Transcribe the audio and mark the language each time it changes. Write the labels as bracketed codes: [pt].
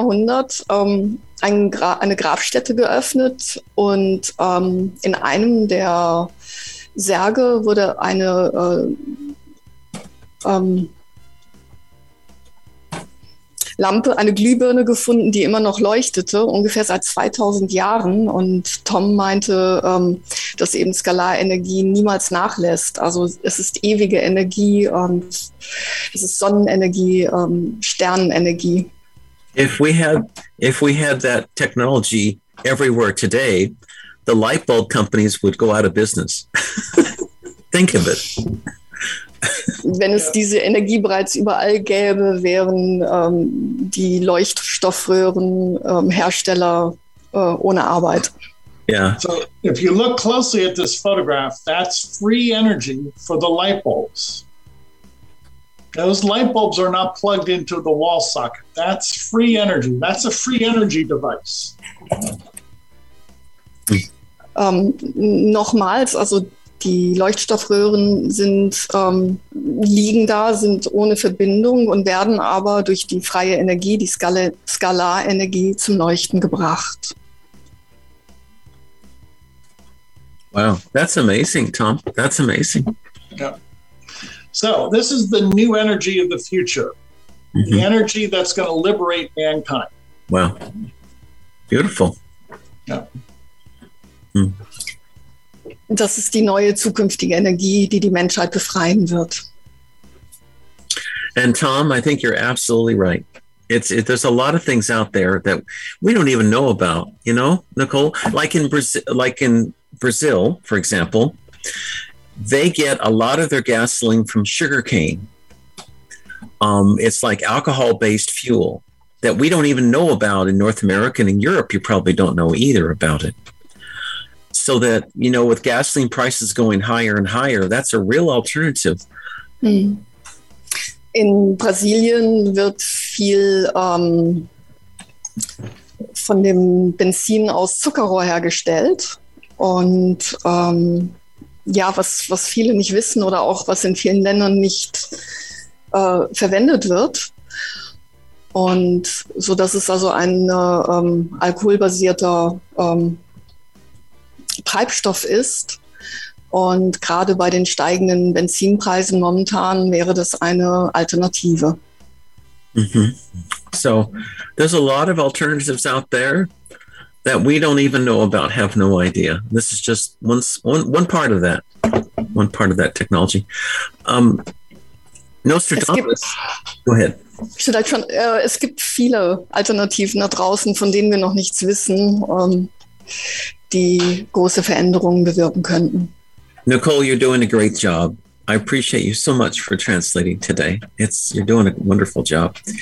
[de] Jahrhundert eine Grabstätte geöffnet und in einem der Särge wurde eine Lampe, eine Glühbirne gefunden, die immer noch leuchtete, ungefähr seit 2000 Jahren. Und Tom meinte, dass eben Skalarenergie niemals nachlässt. Also es ist ewige Energie und es ist Sonnenenergie, Sternenenergie. [en] If we had that technology everywhere today, the light bulb companies would go out of business. Think of it. [de] Wenn es diese Energie bereits überall gäbe, wären die Leuchtstoffröhrenhersteller ohne Arbeit. [en] Yeah. So if you look closely at this photograph, that's free energy for the light bulbs. Those light bulbs are not plugged into the wall socket. That's free energy. That's a free energy device. [de] Nochmals, also die Leuchtstoffröhren liegen da, sind ohne Verbindung und werden aber durch die freie Energie, die Skalarenergie, zum Leuchten gebracht. [en] Wow, that's amazing, Tom. That's amazing. Yeah. So, this is the new energy of the future. Mm-hmm. The energy that's going to liberate mankind. Wow. Beautiful. Yeah. Hmm. [de] Das ist die neue zukünftige Energie, die die Menschheit befreien wird. [en] And Tom, I think you're absolutely right. There's a lot of things out there that we don't even know about, you know, Nicole? Like in Brazil, for example, they get a lot of their gasoline from sugarcane. It's like alcohol-based fuel that we don't even know about in North America. And in Europe, you probably don't know either about it. So that, you know, with gasoline prices going higher and higher, that's a real alternative. [de] In Brasilien wird viel von dem Benzin aus Zuckerrohr hergestellt. Und was viele nicht wissen oder auch was in vielen Ländern nicht verwendet wird. Und so, das ist also ein alkoholbasierter Treibstoff ist und gerade bei den steigenden Benzinpreisen momentan wäre das eine Alternative. Mm-hmm. [en] So, there's a lot of alternatives out there that we don't even know about, have no idea. This is just one part of that technology. Nostradamus, go ahead. [de] Es gibt viele Alternativen da draußen, von denen wir noch nichts wissen. Die große Veränderungen bewirken könnten. [en] Nicole, you're doing a great job. I appreciate you so much for translating today. You're doing a wonderful job.